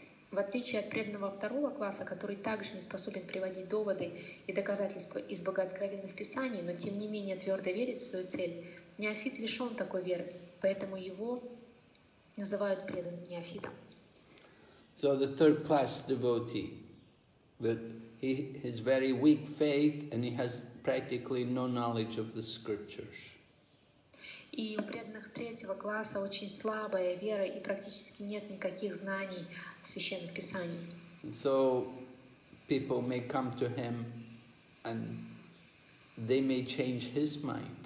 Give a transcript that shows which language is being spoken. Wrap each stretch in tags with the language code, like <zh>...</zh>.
<ru>В отличие от преданного второго класса, который также не способен приводить доводы и доказательства из богооткровенных писаний, но тем не менее твердо верит в свою цель, неофит лишен такой веры, поэтому его называют преданным неофитом.</ru> <en>So the third class devotee, that he has very weak faith and he has practically no knowledge of the scriptures.</en> <ru>И у преданных третьего класса очень слабая вера и практически нет никаких знаний священных писаний.</ru> <en>So people may come to him and they may change his mind.</en>